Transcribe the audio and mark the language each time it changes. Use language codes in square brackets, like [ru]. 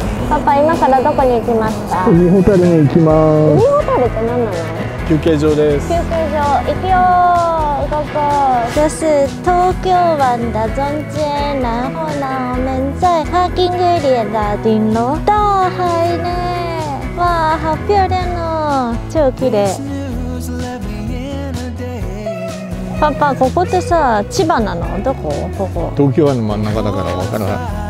[ja] パパ今からどこに行きますか？海ホタルに行きます。海ホタルって何なの？休憩場です。休憩場行くよー。ゴーゴー。 [zh] 这是東京湾的中间，然后呢我们在 [en] parking area [zh] 的顶楼。大海呢，哇好漂亮哦， [ja] 超綺麗。パパここってさ千葉なの？どこ？ここ東京湾の真ん中だから分からない。